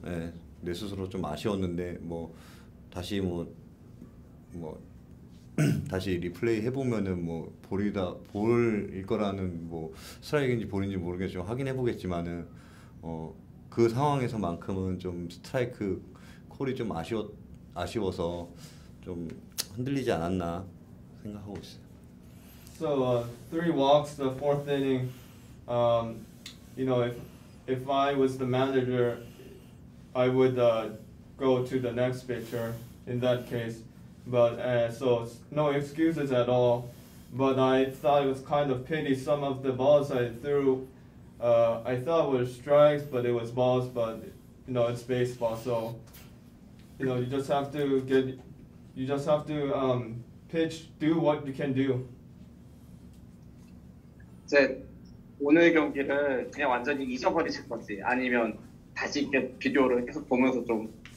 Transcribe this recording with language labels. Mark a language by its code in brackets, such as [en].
[ko] 예, 내 스스로 좀 아쉬웠는데, 뭐 다시 뭐 다시 리플레이 해보면은 뭐 볼이다 볼일 거라는, 뭐 스트라이크인지 볼인지 모르겠지만 확인해 보겠지만은 그 상황에서만큼은 좀 스트라이크 콜이 좀 아쉬워서 좀 흔들리지 않았나 생각하고 있어요. [en] So three walks, the fourth inning. You know, if I was the manager, I would go to the next pitcher in that case, but so no excuses at all. But I thought it was kind of pity, some of the balls I threw I thought were strikes, but it was balls. But you know, it's baseball, so you know, you just have to pitch, do what you can do. [ko] 이제 오늘 경기를 그냥 완전히 잊어버리실 건지, 아니면 다시 비디오를 계속 보면서 좀